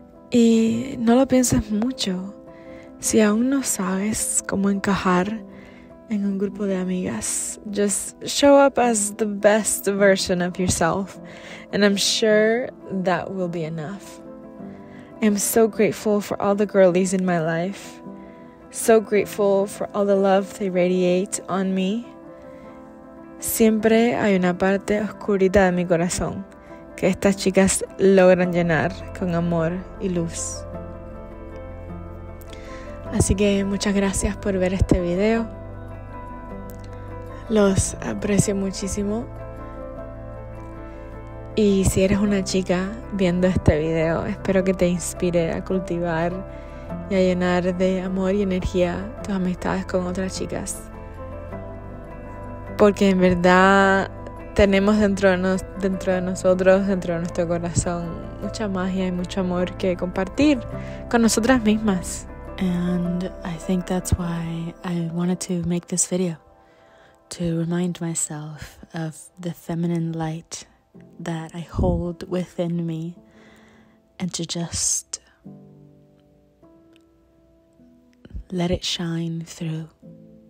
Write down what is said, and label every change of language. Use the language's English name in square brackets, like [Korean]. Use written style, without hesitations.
[Spanish] Y no lo pienses mucho, si aún no sabes cómo encajar en un grupo de amigas, [English] just show up as the best version of yourself, and I'm sure that will be enough. I am so grateful for all the girlies in my life, so grateful for all the love they radiate on me. [Spanish] Siempre hay una parte oscurita de mi corazón que estas chicas logran llenar con amor y luz. Así que muchas gracias por ver este video. Los aprecio muchísimo. Y si eres una chica viendo este video, espero que te inspire a cultivar y a llenar de amor y energía tus amistades con otras chicas. Porque en verdad tenemos dentro de nosotros, dentro de nuestro corazón, mucha magia y mucho amor que compartir con nosotras mismas. [English] And I think that's why I wanted to make this video, to remind myself of the feminine light that I hold within me, and to just let it shine through.